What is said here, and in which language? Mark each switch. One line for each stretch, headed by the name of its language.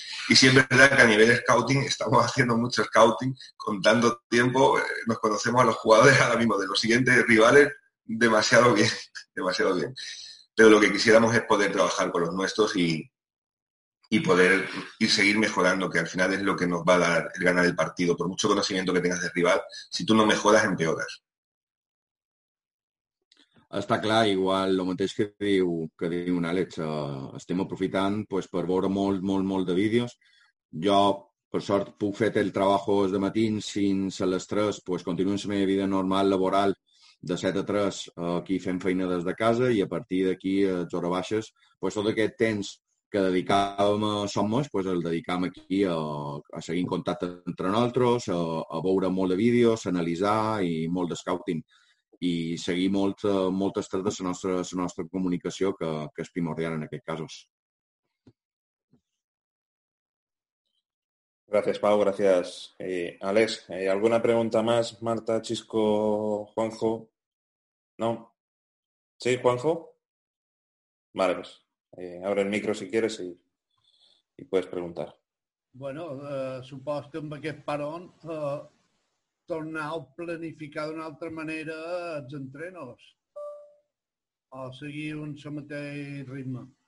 Spanish: Y siempre es verdad que a nivel scouting estamos haciendo mucho scouting, contando tiempo, nos conocemos a los jugadores ahora mismo, de los siguientes rivales, demasiado bien, demasiado bien. Pero lo que quisiéramos es poder trabajar con los nuestros y poder ir seguir mejorando, que al final es lo que nos va a dar el ganar el partido. Por mucho conocimiento que tengas del rival, si tú no mejoras, empeoras.
Catalan: Està clar, igual el mateix que diu Àlex, estem aprofitant pues, per veure molt, molt, molt de vídeos. Jo, per sort, puc fer el treball de matí fins a les 3, pues, continuo la meva vida normal, laboral, de 7 a 3, aquí fent feina des de casa, i a partir d'aquí, a les hores baixes, pues, tot aquest temps que dedicàvem a Somos, pues, el dedicàvem aquí a seguir en contacte entre nosaltres, a veure molt de vídeos, a analitzar i molt de scouting. I seguir molt estret de la nostra comunicació, que és primordial en aquest cas. Gràcies, Pau. Gràcies, Àlex. Alguna pregunta més, Marta, Chisco, Juanjo? No? Sí, Juanjo?
Spanish: Vale, pues, abre el micro si quieres y puedes preguntar.
Catalan: Bueno, supos que amb aquest parón tornar a planificar d'una altra manera els entrenos o seguir un seu mateix ritme?